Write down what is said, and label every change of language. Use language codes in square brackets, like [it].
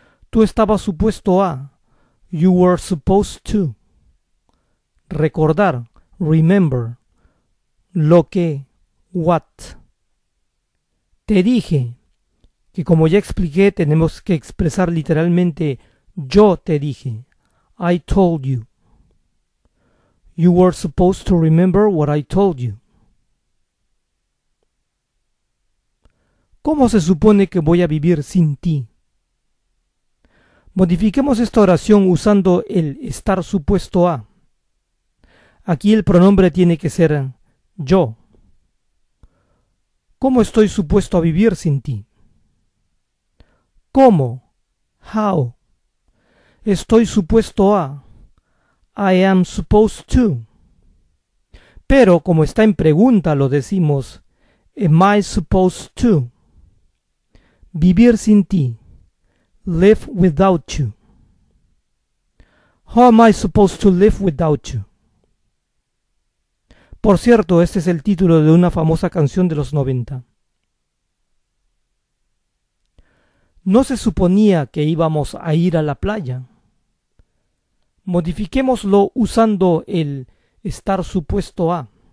[es] Tú estabas supuesto a. [en] You were supposed to. [es] Recordar. [en] Remember, [es] lo que, [en] what. [es] Te dije que, como ya expliqué, tenemos que expresar literalmente yo te dije. [en] I told you. You were supposed to remember what I told you. [es] ¿Cómo se supone que voy a vivir sin ti? Modifiquemos esta oración usando el estar supuesto a. Aquí el pronombre tiene que ser yo. ¿Cómo estoy supuesto a vivir sin ti? ¿Cómo? [en] How? [es] Estoy supuesto a. [en] I am supposed to. [es] Pero como está en pregunta, lo decimos [en] am I supposed to? [es] Vivir sin ti. [en] Live without you. How am I supposed to live without you? [es] Por cierto, este es el título de una famosa canción de los 90. No se suponía que íbamos a ir a la playa. Modifiquémoslo usando el estar supuesto a.